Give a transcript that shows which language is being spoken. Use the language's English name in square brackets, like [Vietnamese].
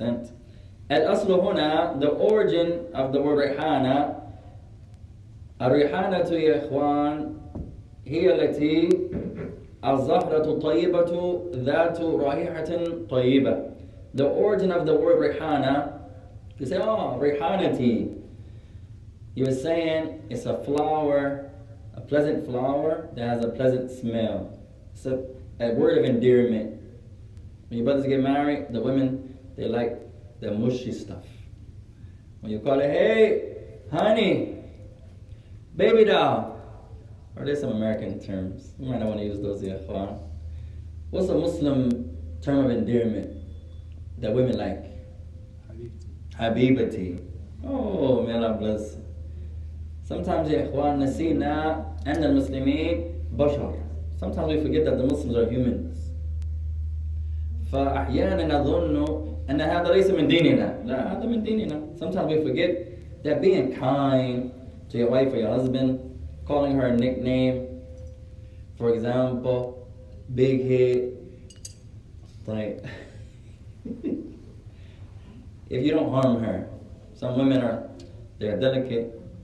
[English] And [Arabic] الْأَصْلُ هُنَا, [English] the origin of the word [Arabic] رَيْحَانَة, الْرَيْحَانَةُ يَا إِخْوَانَ, هي التي الزهرة الطيبة ذات رائحة طيبة. [English] The origin of the word ريحانة, you say, oh, ريحانتي. You are saying it's a flower, a pleasant flower that has a pleasant smell. It's a word of endearment. When your brothers get married, the women, they like the mushy stuff. When you call it, hey, honey, baby doll. Or there's some American terms. You might not want to use those yet. What's a Muslim term of endearment that women like? Habibati. Oh, may Allah bless. Sometimes, [Arabic] yaqwan, nasina [English] and the Muslimin, bashar. Sometimes we forget that the Muslims are humans. [Arabic] فأحيانا نظن أن هذا ليس من ديننا. لا هذا من ديننا. [English] Sometimes we forget that being kind to your wife or your husband, calling her a nickname, for example, Big Head. Right. If you don't harm her, some women are, they're delicate.